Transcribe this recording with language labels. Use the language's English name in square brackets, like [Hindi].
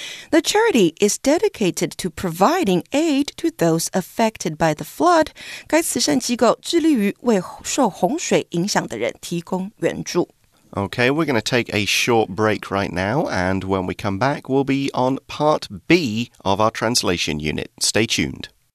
[English] The charity is dedicated to providing aid to those affected by the flood. [Chinese] 该慈善机构致力于为受洪水影响的人提供援助。 [English] Okay, we're going to take a short break right now, and when we come back, we'll be on part B of our translation unit. Stay tuned.